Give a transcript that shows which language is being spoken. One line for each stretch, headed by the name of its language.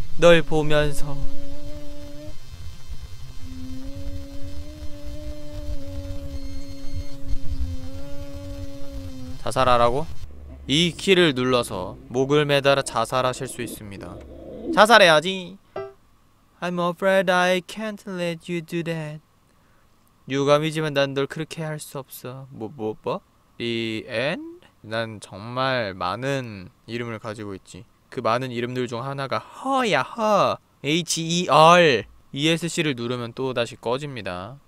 Korean: 널 보면서. 자살하라고? 이 키를 눌러서 목을 매달아 자살하실 수 있습니다. 자살해야지.
English: I'm afraid I can't let you do that.
Korean: 유감이지만 난 널 그렇게 할 수 없어. 뭐?
English: The end?
Korean: 난 정말 많은 이름을 가지고 있지. 그 많은 이름들 중 하나가 허야 허. H-E-R. ESC를 누르면 또 다시 꺼집니다.